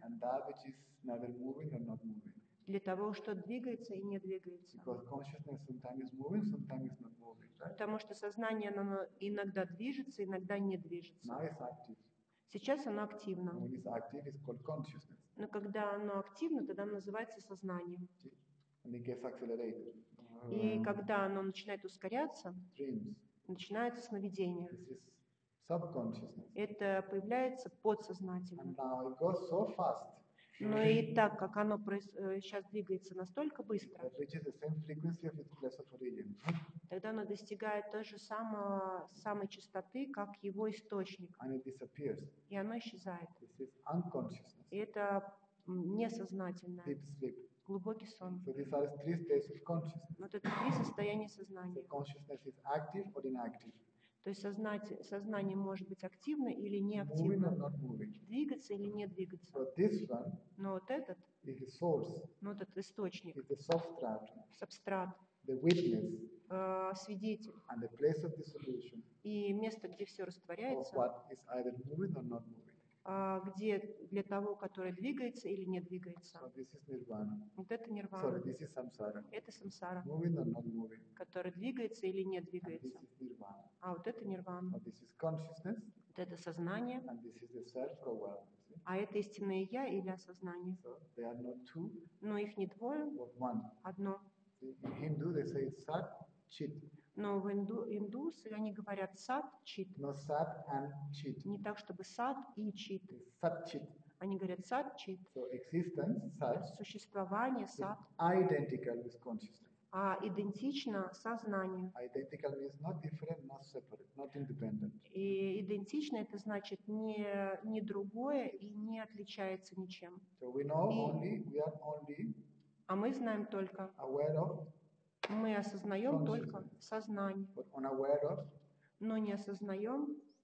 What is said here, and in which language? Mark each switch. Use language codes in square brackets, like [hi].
[en] And that which is neither moving or not moving. [ru] Для того, что двигается и не двигается. [en] Because consciousness sometimes moving, sometimes not moving, right? [ru] Потому что сознание оно иногда движется, иногда не движется. [en] Now it's active. [ru] Сейчас оно активно. [en] When it's active, it's called consciousness. [ru] Но когда оно активно, тогда оно называется сознанием. [en] And it gets accelerated. [ru] И когда оно начинает ускоряться, [en] dreams. [ru] Начинается сновидение. [en] This is subconsciousness. [ru] Это появляется подсознательно. [en] And now it goes so fast. [ru] Но и так как оно сейчас двигается настолько быстро, [en] it reaches the same frequency of its place of origin. [ru] Тогда оно достигает той же самой частоты, как его источник. [en] And it disappears. [ru] И оно исчезает. [en] This is unconsciousness. [ru] И это несознательное. [en] Deep sleep. [ru] Глубокий сон. [en] So these are three states of consciousness. [ru] Вот это три состояния сознания. [en] So consciousness is active or inactive. [ru] То есть сознание может быть активно или неактивно. [en] Moving or not moving. [ru] Двигаться или не двигаться. [en] But this one, [ru] но вот этот, [en] is the source, [ru] но этот источник, [en] is the substrate, [ru] субстрат, [en] the witness, [ru] свидетель, [en] and the place of dissolution, [ru] и место, где все растворяется, [en] of what is either moving or not moving. [ru] где для того, который двигается или не двигается. [en] So this is nirvana. [ru] Вот это нирвана. [en] Sorry, this is samsara. [ru] Это самсара. [en] Moving or not moving. [ru] Который двигается или не двигается. [en] And this is nirvana. [ru] А вот это нирвана. [en] So this is consciousness. [ru] Вот это сознание. [en] And this is the self or well. [ru] А это истинное я или осознание? [en] So they are not two, [ru] но их не двое, одно. [en] Hindu, they say, sat, chit. [ru] Но в индусы они говорят сат, чит. [en] No, sat and chit. [ru] Не так, чтобы сат и чит. [en] Sat, chit. [ru] Они говорят сат, чит. [en] So existence, sat, [ru] существование, сат. [en] Identical with consciousness. [ru] А идентично сознанию. [en] Identical means not different, not separate, not independent. [ru] И идентично это значит не другое и не отличается ничем. [en] So we know only, we are only. [ru] А мы знаем только. [en] Aware of. [ru] Мы осознаем только сознание. [en] But unaware of. [ru] Но не осознаем.